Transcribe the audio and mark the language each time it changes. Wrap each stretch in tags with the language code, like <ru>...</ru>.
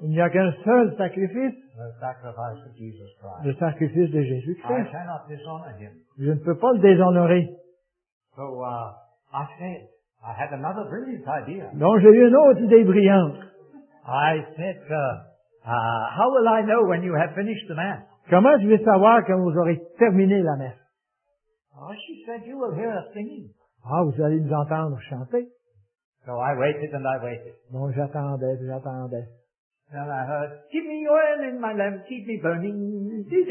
<fr>Il n'y a qu'un seul sacrifice.</fr> <en>The sacrifice of Jesus Christ.</en> <fr>Le sacrifice de Jésus Christ.</fr> <en>I cannot dishonor him.</en> <fr>Je ne peux pas le déshonorer.</fr> <en>So, I said, I had another brilliant idea.</en> <fr>Donc, j'ai eu une autre idée brillante.</fr> <en>I said, how will I know when you have finished the mass?</en> <fr>Comment je vais savoir quand vous aurez terminé la messe?</fr> <en>Oh, she said, you will hear us singing.</en> <fr>Ah, vous allez nous entendre chanter.</fr> <en>So I waited and I waited.</en> <fr>Donc j'attendais, j'attendais.</fr> <en>And I heard, keep me oil in my lamp, keep me burning.</en>